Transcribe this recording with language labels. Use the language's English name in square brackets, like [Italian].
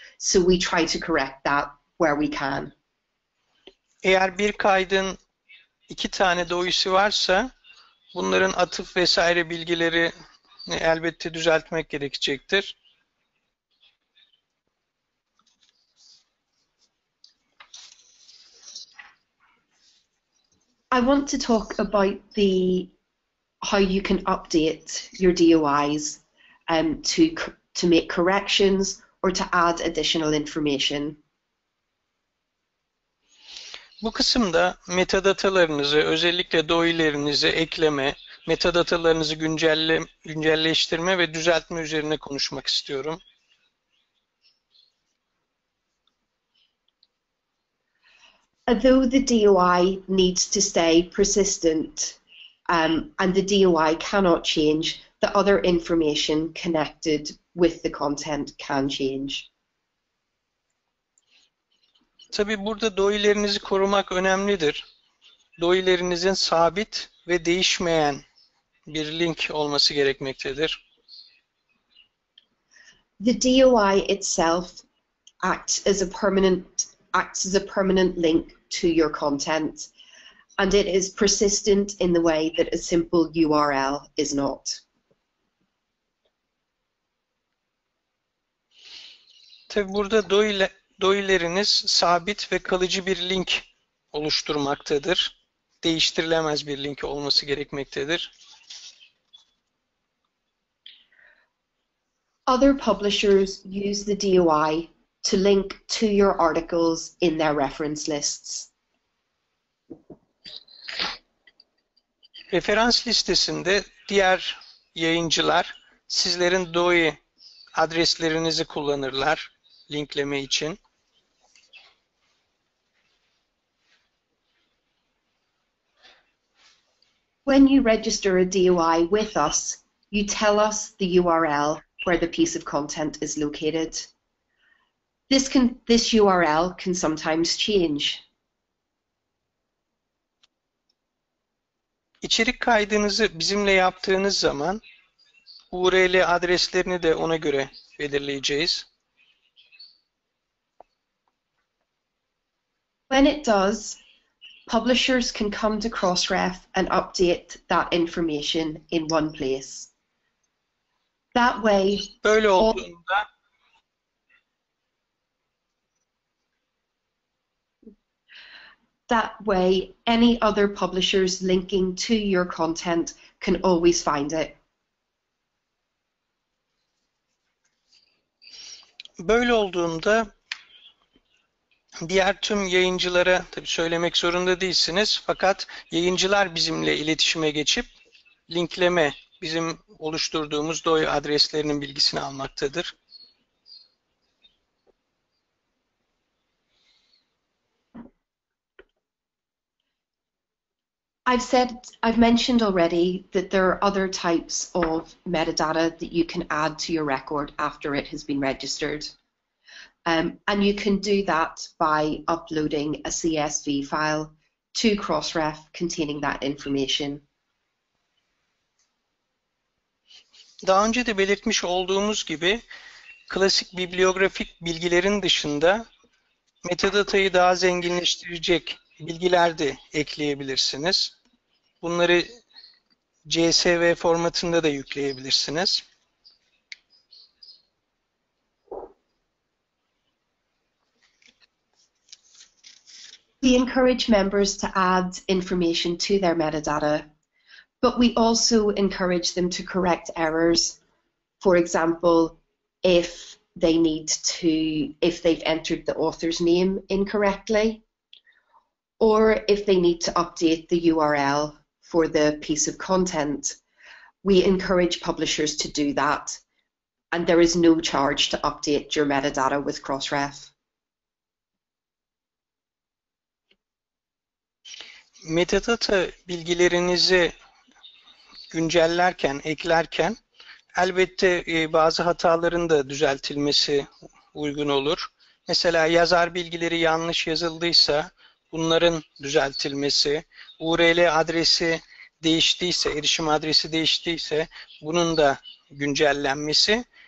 [English] So we try to correct that where we can. [Turkish] Eğer bir kaydın iki tane DOI'si varsa bunların atıf vesaire bilgileri elbette düzeltmek gerekecektir. [English] I want to talk about the how you can update your DOIs to make corrections or to add additional information. [Turkish] Bu kısımda metadatalarınızı, özellikle DOI'lerinizi ekleme, metadatalarınızı güncelleştirme ve düzeltme üzerine konuşmak istiyorum. [English] Although the DOI needs to stay persistent, and the DOI cannot change, the other information connected with the content can change. [Turkish] Tabii burada DOI'lerinizi korumak önemlidir. DOI'lerinizin sabit ve değişmeyen bir link olması gerekmektedir. [English] The DOI itself acts as a permanent link to your content, and it is persistent in the way that a simple URL is not. [Turkish] Tabii burada DOI'leriniz sabit ve kalıcı bir link oluşturmaktadır. Değiştirilemez bir link olması gerekmektedir. [English] Other publishers use the DOI to link to your articles in their reference lists. [Turkish] Referans listesinde diğer yayıncılar sizlerin DOI adreslerinizi kullanırlar linkleme için. [English] When you register a DOI with us, you tell us the URL where the piece of content is located. This URL can sometimes change. [Turkish] İçerik kaydınızı bizimle yaptığınız zaman URL adreslerini de ona göre belirleyeceğiz. [English] When it does, publishers can come to Crossref and update that information in one place. That way, [Turkish] böyle olduğunda, [English] that way, any other publishers linking to your content can always find it. [Turkish] Böyle olduğunda diğer tüm yayıncılara tabii söylemek zorunda değilsiniz, fakat yayıncılar bizimle iletişime geçip linkleme bizim oluşturduğumuz DOI adreslerinin bilgisini almaktadır. [English] I've mentioned already that there are other types of metadata that you can add to your record after it has been registered. And you can do that by uploading a CSV file to Crossref containing that information. [Turkish] Daha önce de belirtmiş olduğumuz gibi, klasik bibliografik bilgilerin dışında metadatayı daha zenginleştirecek bilgiler de ekleyebilirsiniz. Bunları CSV formatında da yükleyebilirsiniz. [English] We encourage members to add information to their metadata, but we also encourage them to correct errors. For example, if they've entered the author's name incorrectly, or if they need to update the URL for the piece of content. We encourage publishers to do that, and there is no charge to update your metadata with Crossref. [Turkish] Metadata bilgilerinizi güncellerken, eklerken elbette bazı hataların da düzeltilmesi uygun olur. Mesela yazar bilgileri yanlış yazıldıysa bunların düzeltilmesi, URL adresi değiştiyse, erişim adresi değiştiyse bunun da güncellenmesi.